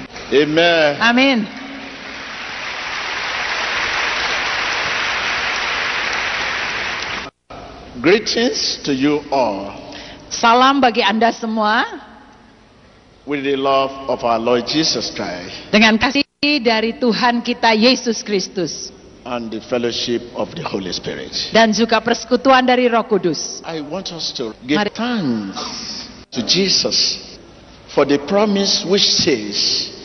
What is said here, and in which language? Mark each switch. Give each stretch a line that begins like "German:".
English: Amen. Amen. Greetings to you all.
Indonesian: Salam bagi Anda semua.
English: With the love of our Lord Jesus Christ.
Indonesian: Dengan kasih dari Tuhan kita Yesus Kristus.
English: And the fellowship of the Holy Spirit.
Indonesian: Dan juga persekutuan dari Roh Kudus.
English: I want us to give thanks to Jesus for the promise which says.